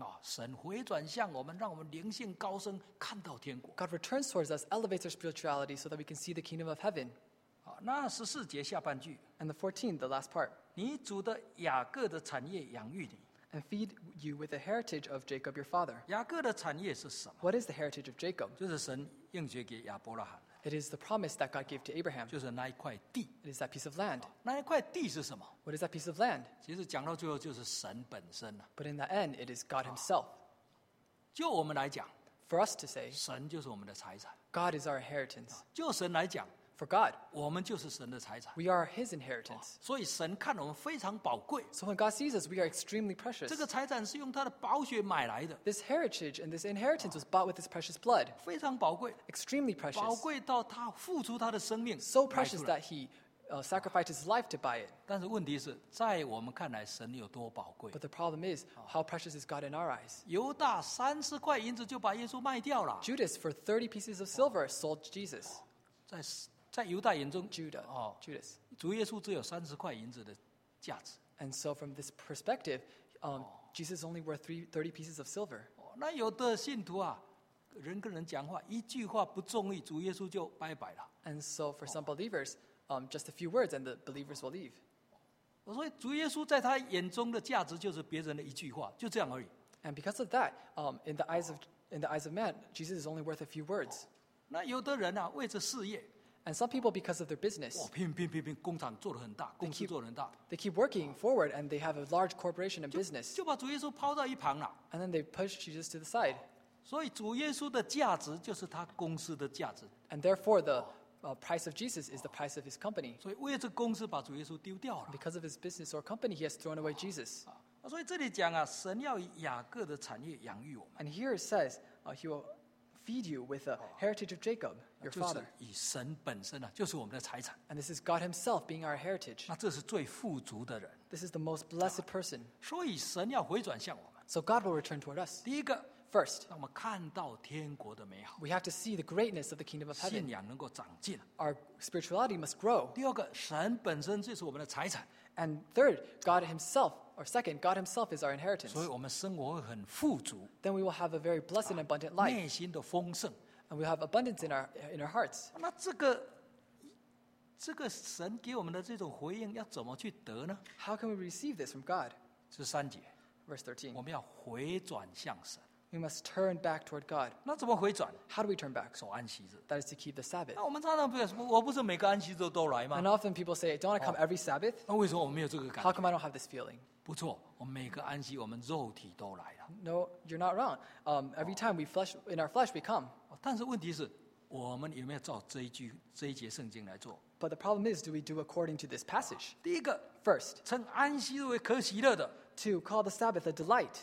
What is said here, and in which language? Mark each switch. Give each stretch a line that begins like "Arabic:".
Chinese: 神回转向我们，让我们灵性高升，看到天国。
English: God returns towards us, elevates our spirituality so that we can see the kingdom of heaven.
Chinese: 那14节下半句。
English: And the 14, the last part.
Chinese: 你主的雅各的产业养育你。
English: And feed you with the heritage of Jacob your father.
Chinese: 雅各的产业是什么？
English: What is the heritage of Jacob?
Chinese: 就是神应许给亚伯拉罕。
English: It is the promise that God gave to Abraham.
Chinese: 就是那一块地。
English: It is that piece of land.
Chinese: 那一块地是什么？
English: What is that piece of land?
Chinese: 其实讲到最后就是神本身。
English: But in the end, it is God himself.
Chinese: 就我们来讲，
English: For us to say,
Chinese: 神就是我们的财产。
English: God is our inheritance.
Chinese: 就神来讲，
English: For God,
Chinese: 我们就是神的财产。
English: We are his inheritance.
Chinese: 所以神看我们非常宝贵。
English: So when God sees us, we are extremely precious.
Chinese: 这个财产是用他的宝血买来的。
English: This heritage and this inheritance was bought with his precious blood.
Chinese: 非常宝贵。
English: Extremely precious.
Chinese: 宝贵到他付出他的生命。
English: So precious that he sacrificed his life to buy it.
Chinese: 但是问题是，在我们看来，神有多宝贵。
English: But the problem is, how precious is God in our eyes?
Chinese: 犹大30块银子就把耶稣卖掉了。
English: Judas, for 30 pieces of silver, sold Jesus.
Chinese: 在犹大眼中，
English: Judas,
Chinese: 主耶稣只有30块银子的价值。
English: And so from this perspective, Jesus only worth 30 pieces of silver.
Chinese: 那有的信徒啊，人跟人讲话，一句话不中意，主耶稣就拜拜了。
English: And so for some believers, just a few words and the believers will leave.
Chinese: 所以主耶稣在他眼中的价值就是别人的一句话，就这样而已。
English: And because of that, in the eyes of man, Jesus is only worth a few words.
Chinese: 那有的人啊, 为着事业,
English: and some people, because of their business,
Chinese: 哇,拼,拼,拼, 工厂做得很大,
English: they keep working forward and they have a large corporation and business.
Chinese: 就把主耶稣抛到一旁了,
English: and then they push Jesus to the side.
Chinese: 所以主耶稣的价值就是他公司的价值,
English: and therefore, the price of Jesus is the price of his company.
Chinese: 所以为这公司把主耶稣丢掉了,
English: because of his business or company, he has thrown away Jesus.
Chinese: 所以这里讲啊, 神要以雅各的产业养育我们,
English: and here it says, he will feed you with the heritage of Jacob, your father.
Chinese: 就是以神本身啊, 就是我们的财产,
English: and this is God himself being our heritage.
Chinese: 那这是最富足的人,
English: this is the most blessed person.
Chinese: 所以神要回转向我们,
English: so God will return toward us.
Chinese: 第一个,
English: first,
Chinese: 让我们看到天国的美好,
English: we have to see the greatness of the kingdom of heaven.
Chinese: 信仰能够长进,
English: our spirituality must grow.
Chinese: 第二个, 神本身就是我们的财产,
English: and third, God himself, or second, God himself is our inheritance.
Chinese: 所以我们生活很富足,
English: then we will have a very blessed and abundant life.
Chinese: 内心的丰盛,
English: and we have abundance in our hearts.
Chinese: 那这个神给我们的这种回应要怎么去得呢?
English: How can we receive this from God?
Chinese: 是三节,
English: verse 13.
Chinese: 我们要回转向神,
English: we must turn back toward God.
Chinese: 那怎么回转?
English: How do we turn back?
Chinese: 守安息日,
English: that is to keep the Sabbath.
Chinese: 那我们常常不是每个安息日都来吗?
English: And often people say, don't I come every Sabbath?
Chinese: 那为什么我没有这个感觉?
English: How come I don't have this feeling?
Chinese: 不错, 我们每个安息我们肉体都来了。
English: No, you're not wrong. Every time we flesh, in our flesh we come.
Chinese: 但是问题是, 我们有没有照这一句,这一节圣经来做?
English: But the problem is, do we do according to this passage?
Chinese: 第一个,
English: first,
Chinese: 称安息日为可喜乐的,
English: to call the Sabbath a delight.